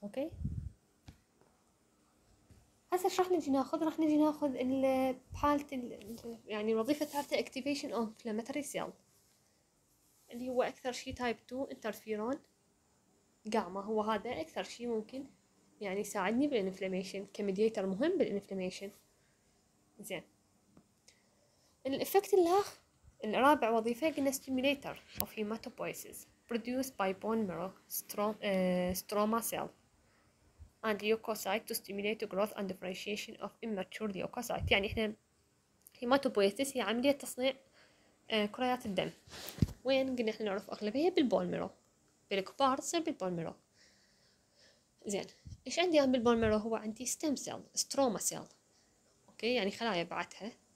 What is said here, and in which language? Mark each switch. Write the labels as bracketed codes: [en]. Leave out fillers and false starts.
[ar] اوكي هسه شرح نجي ناخذ, راح نجي ناخذ البالت يعني الوظيفه الثالثه اكتيفيشن اوف انفلاماتوري سيل اللي هو اكثر شيء تايب 2 انترفيرون جاما, هو هذا اكثر شيء ممكن يعني يساعدني بالانفلاميشن كميديتر مهم بالانفلاميشن. زين الافكت الاخ الرابع وظيفه قلنا ستيميليتر اوف هيماتوبويسيس [en] produced by bone marrow stroma cell and leukocyte to stimulate the growth and differentiation of immature leukocyte. [ar] يعني احنا هيماتوبويسيس هي عملية تصنيع كريات الدم, وين قلنا احنا نعرف اغلبها هي بالبون مارو, بالكبار تصير بالبون مارو. زين ايش عندي انا بالبون مارو, هو عندي stem cell stroma cell اوكي يعني خلايا بعتها